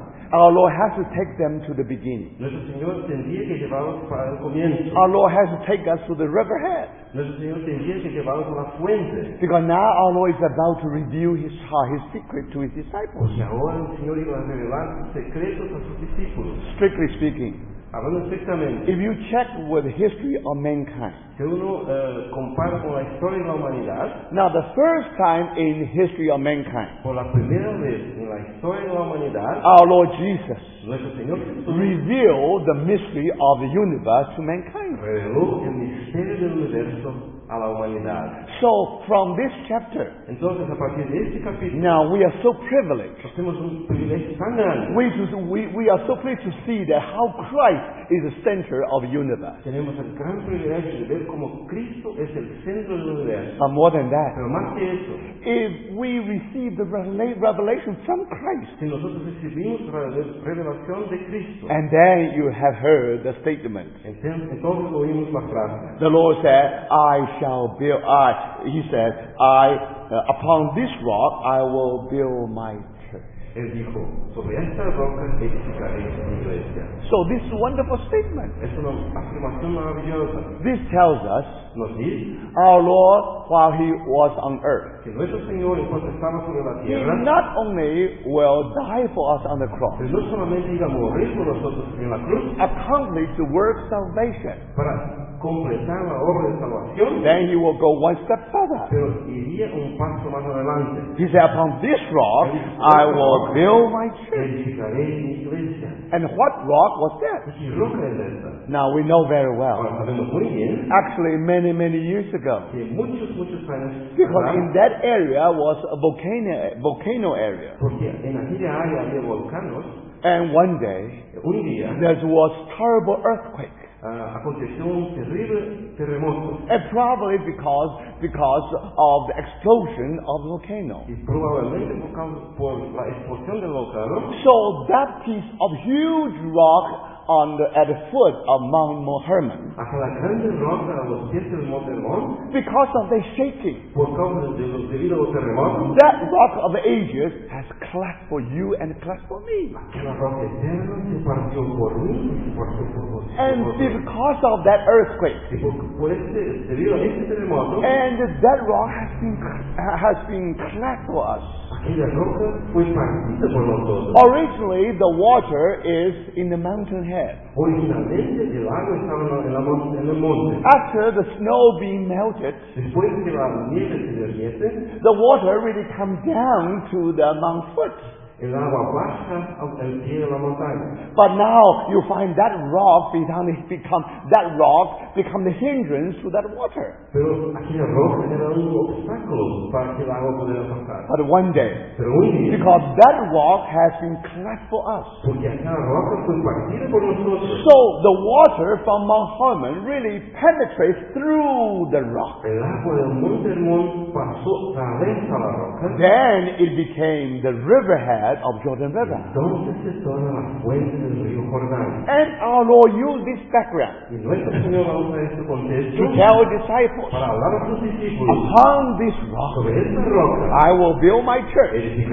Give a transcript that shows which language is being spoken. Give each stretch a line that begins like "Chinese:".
English: Our Lord has to take them to the beginning.
Spanish: Nuestro Señor tendría que llevarlos para el comienzo.
English: Our Lord has to take us to the riverhead.
Spanish: Nuestro Señor tendría que llevarlos a la fuente.
English: Because now our Lord is about to reveal his secret to his disciples.
Spanish: Y ahora el Señor iba a revelar secretos a sus discípulos.
English: Strictly speaking,
Spanish: hablando estrictamente,
English: if you check with the history of mankind,
Spanish: si uno compara con la historia de la humanidad,
English: now the first time in the history of mankind,
Spanish: por la primera vez en la historia de la humanidad,
English: our Lord Jesus,
Spanish: nuestro Señor Jesús,
English: revealed the mystery of the universe to mankind.
Spanish: Reveló el misterio del universo a la humanidad.
English: So from this chapter,
Spanish: entonces a partir de este capítulo,
English: now we are so privileged.
Spanish: Tenemos un privilegio tan grande.
English: We are so pleased to see that how Christ is the center of the universe.
Spanish: Tenemos el gran privilegio de ver cómo Cristo es el centro del universo.
English: But more than that,
Spanish: pero más que eso,
English: if we receive the revelation from Christ,
Spanish: si nosotros recibimos revelación de Cristo,
English: and then you have heard the statement.
Spanish: Entonces oímos la frase.
English: The Lord said, upon this rock I will build my church.
Spanish: Él dijo, sobre esta roca edificaré mi iglesia.
English: So this is a wonderful statement.
Spanish: Es una afirmación maravillosa.
English: This tells us,
Spanish: nos dice,
English: our Lord, while he was on earth,
Spanish: que nuestro Señor, en cuanto estaba sobre la tierra,
English: he not only will die for us on the cross,
Spanish: pero no solamente iba a morir por nosotros en la cruz,
English: accomplished the work of salvation,
Spanish: para completar la obra de salvación,
English: then he will go one step further.
Spanish: Pero iría un paso más adelante.
English: He said, upon this rock, I will build my church.
Spanish: Edificaré mi iglesia.
English: And what rock was that?
Spanish: Qué roca es esta?
English: Now we know very well.
Spanish: Ahora, sabemos muy bien.
English: Actually, many, many years ago.
Spanish: Que muchos años,
English: because
Spanish: ¿verdad?
English: In that area was a volcano area.
Spanish: Porque en aquella área había volcanos.
English: And one day,
Spanish: un día,
English: there was terrible earthquake.
Spanish: Aconteció un terrible terremoto.
English: And probably because of the explosion of the volcano.
Spanish: Y probablemente por la explosión del volcano.
English: So that piece of huge rock at the foot of Mount Hermon. Because of the shaking.
Spanish: Por causa debido al terremoto.
English: That rock of ages has clasped for you and clasped for me.
Spanish: Aquella roca eterna se partió por mí y partió por vos.
English: And because of that earthquake.
Spanish: Debido a este terremoto.
English: And that rock has been clasped for us.
Spanish: Aquella roca fue partida por nosotros.
English: Originally, the water is in the mountain head. After the snow being melted, the water really comes down to the mount foot.
Spanish: El agua baja al pie de la montaña.
English: But now you find that rock become that rock become the hindrance to that water.
Spanish: Pero aquella roca era un obstáculo para que el agua pudiera pasar.
English: But one day,
Spanish: pero un día,
English: because that rock has been cleft for us.
Spanish: Porque aquella roca fue partida por nosotros.
English: So the water from Mount Hermon really penetrates through the rock.
Spanish: El agua del Monte Hermón pasó a través de la roca.
English: Then it became the riverhead of Jordan River. And our Lord used this background to tell disciples, upon this rock I will build my church.